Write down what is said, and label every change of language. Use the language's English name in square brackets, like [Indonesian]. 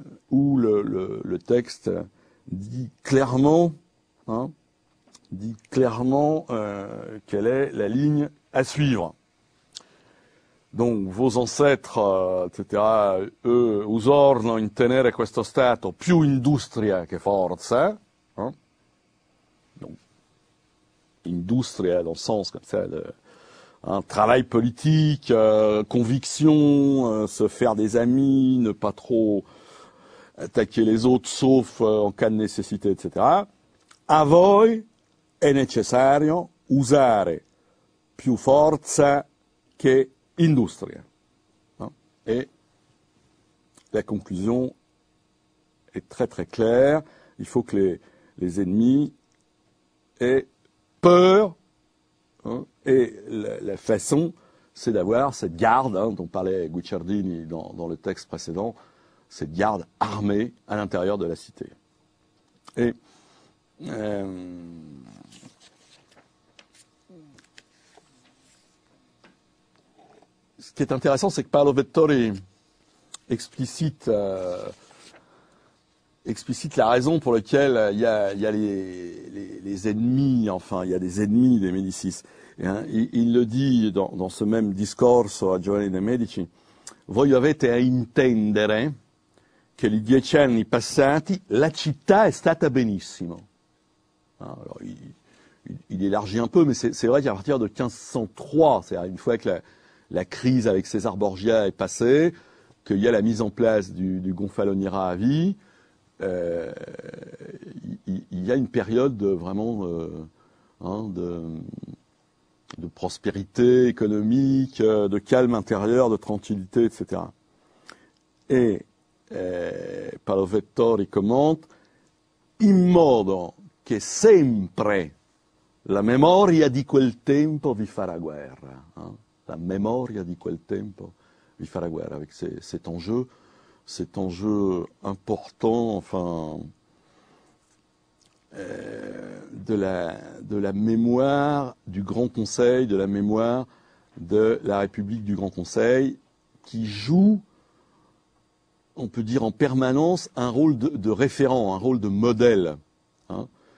[French] où le texte dit clairement, hein, quelle est la ligne à suivre. Donc, vos ancêtres, etc., eux, [Italian] usorno in tenere questo stato più industria che forza. Hein? [French] Donc, industria dans le sens comme ça, de, hein, travail politique, conviction, se faire des amis, ne pas trop attaquer les autres, sauf en cas de nécessité, etc. [Italian] A voi è necessario usare più forza che industria. [French] Et la conclusion est très très claire. Il faut que les ennemis aient peur. Hein, et la façon, c'est d'avoir cette garde, hein, dont parlait Guicciardini dans le texte précédent, cette garde armée à l'intérieur de la cité. Et ce qui est intéressant, c'est que Paolo Vettori explicite la raison pour laquelle il y a les ennemis, enfin, il y a des ennemis des Médicis. Et, hein, il le dit dans ce même discorso à Giovanni de' Medici. [Italian] Voi avete a intendere che gli 10 anni passati la città è stata benissimo. [French] Alors, il élargit un peu, mais c'est vrai qu'à partir de 1503, c'est-à-dire une fois que la crise avec César Borgia est passée, qu'il y a la mise en place du Gonfaloniere à vie, il y a une période de vraiment de prospérité économique, de calme intérieur, de tranquillité, etc. Et Paolo Vettori commente, [Italian] in modo che sempre la memoria di quel tempo vi farà guerra. Hein. La memoria di quel tempo vi farà guerra, [French] avec cet enjeu important, enfin, de la mémoire du Grand Conseil, de la mémoire de la République du Grand Conseil, qui joue, on peut dire en permanence, un rôle de référent, un rôle de modèle. Hein.